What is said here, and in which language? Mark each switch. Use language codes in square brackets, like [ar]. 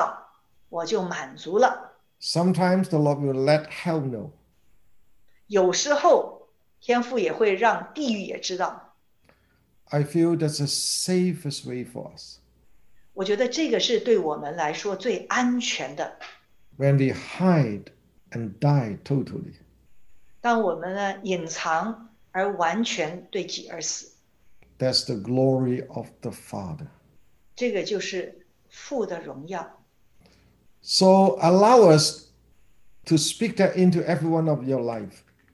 [zh] 只要天知道,我就满足了。 [en] Sometimes the Lord will let hell know. [zh] 有时候,天父也会让地狱也知道。 [en] I feel that's the safest way for us. [zh] 我觉得这个是对我们来说最安全的。 [en] When we hide, and die totally. [zh] 当我们呢,隐藏而完全对己而死, [en] That's the glory of the Father. [zh] 这个就是父的荣耀。 [en] So allow us to speak that into every one of your life.